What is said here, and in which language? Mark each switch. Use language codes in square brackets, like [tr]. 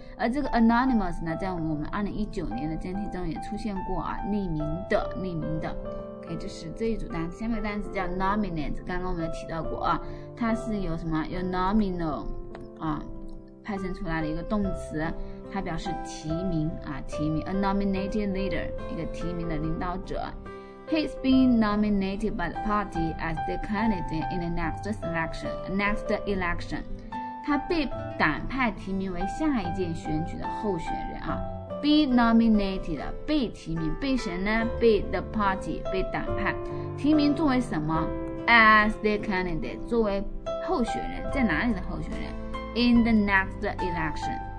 [zh] 而这个 anonymous 呢，在我们2019年的真题中也出现过啊，匿名的，匿名的。 OK， 这是这一组单词。下面单词叫 nominate， 刚刚我们有提到过啊，它是有什么？有 nominal 啊，派生出来的一个动词。它表示提名啊，提名 ， [en] a nominated leader， [zh] 一个提名的领导者。 [en] He's been nominated by the party as the candidate in the next election. [zh] Next election， 他被党派提名为下一届选举的候选人啊。 Be nominated， 被提名，被谁呢？被 the party， 被党派提名作为什么 ？ [en] As the candidate， [zh] 作为候选人，在哪里的候选人 ？ [en] In the next election。